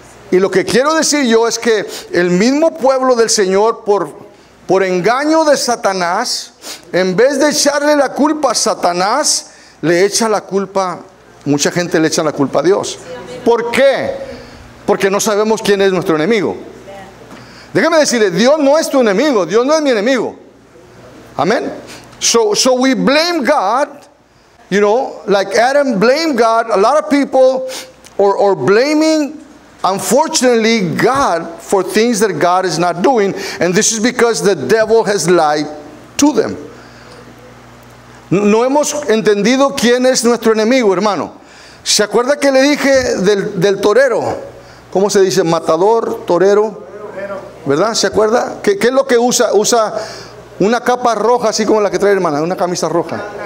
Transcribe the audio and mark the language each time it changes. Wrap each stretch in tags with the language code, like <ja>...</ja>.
<es>Y lo que quiero decir yo es que el mismo pueblo del Señor, por engaño de Satanás, en vez de echarle la culpa a Satanás, le echa la culpa, mucha gente le echa la culpa a Dios. ¿Por qué? Porque no sabemos quién es nuestro enemigo. Déjame decirle, Dios no es tu enemigo, Dios no es mi enemigo. Amén.</es> <en>So we blame God, you know, like Adam blamed God, a lot of people are blaming, unfortunately, God for things that God is not doing, and this is because the devil has lied to them.</en> <es>No hemos entendido quién es nuestro enemigo, hermano. ¿Se acuerda que le dije del torero? ¿Cómo se dice? Matador, torero. ¿Verdad? ¿Se acuerda? ¿Qué es lo que usa? Usa una capa roja, así como la que trae la hermana, una camisa roja.</es>